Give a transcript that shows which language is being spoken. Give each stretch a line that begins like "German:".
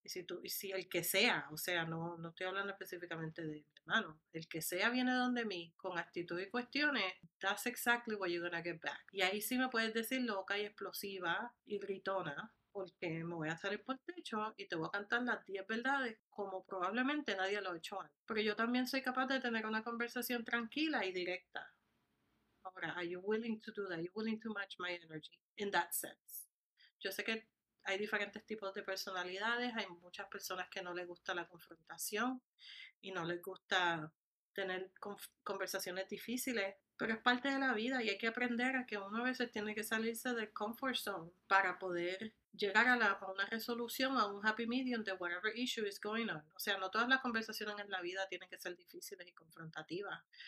Spanish: Y si el que sea, o sea, no, no estoy hablando específicamente de mi hermano, el que sea viene donde mí con actitud y cuestiones,
English: that's exactly what you're gonna get back.
Spanish: Y ahí sí me puedes decir loca y explosiva y gritona, porque me voy a salir por el techo y te voy a cantar las 10 verdades como probablemente nadie lo ha hecho antes. Pero yo también soy capaz de tener una conversación tranquila y directa.
English: Ahora, are you willing to do that? Are you willing to match my energy in that sense?
Spanish: Yo sé que hay diferentes tipos de personalidades, hay muchas personas que no les gusta la confrontación y no les gusta tener conversaciones difíciles. Pero es parte de la vida y hay que aprender a que uno a veces tiene que salirse del comfort zone para poder llegar a una resolución, a un happy medium de
English: whatever issue is going on.
Spanish: O sea, no todas las conversaciones en la vida tienen que ser difíciles y confrontativas,